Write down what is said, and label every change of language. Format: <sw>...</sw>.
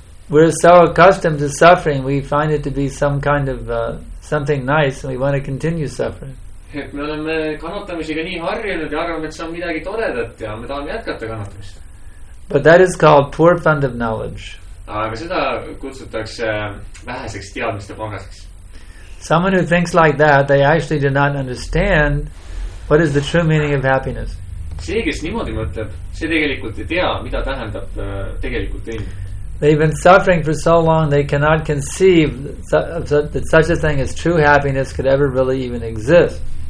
<en>We're so accustomed to suffering, we find it to be some kind of something nice, and we want to continue suffering.</en> <et>Me oleme kannatamisega nii harjunud ja arvame, et see on midagi toredat ja me tahame jätkata kannatamist.</et> <en>But that is called poor fund of knowledge.</en> <et>Aga seda kutsutakse väheseks teadmiste pangaseks.</et> <en>Someone who thinks like that, they actually do not understand what is the true meaning of happiness.</en> <et>See, kes niimoodi mõtleb, see tegelikult ei tea, mida tähendab tegelikult õnn.</et> <en>They've been suffering for so long they cannot conceive that such a thing as true happiness could ever really even exist.</en>